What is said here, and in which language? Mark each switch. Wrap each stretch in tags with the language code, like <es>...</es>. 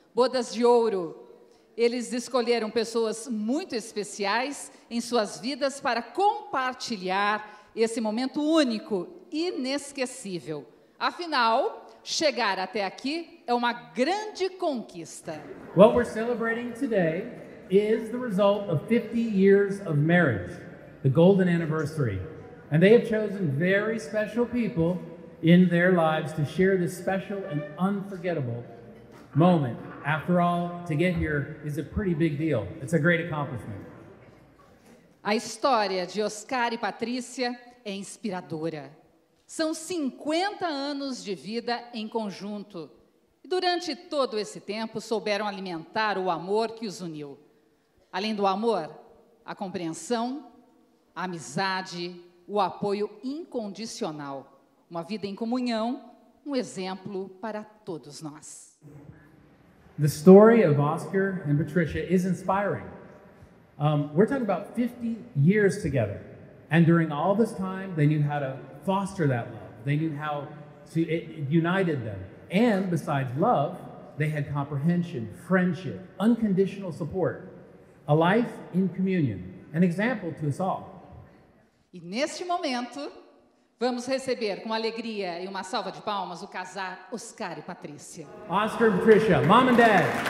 <pt>Bodas de ouro. Eles escolheram pessoas muito especiais em suas vidas para compartilhar esse momento único, inesquecível. Afinal, chegar até aqui é uma grande conquista.</pt> <en>What we're celebrating today is the result of 50 years of marriage, the golden anniversary. And they have chosen very special people in their lives to share this special and unforgettable moment. After all, to get here is a pretty big deal. It's a great accomplishment.</en> <pt>A história de Oscar e Patrícia é inspiradora. São 50 anos de vida em conjunto. E durante todo esse tempo, souberam alimentar o amor que os uniu. Além do amor, a compreensão, a amizade, o apoio incondicional. Uma vida em comunhão, um exemplo para todos nós.</pt> <en>The story of Oscar and Patricia is inspiring. We're talking about 50 years together. And during all this time, they knew how to foster that love. They knew how to, it united them. And besides love, they had comprehension, friendship, unconditional support, a life in communion, an example to us all.</en> <pt>E neste momento, vamos receber com alegria e uma salva de palmas o casal Oscar e Patrícia.</pt> <en>Oscar e Patricia, mom and dad.</en>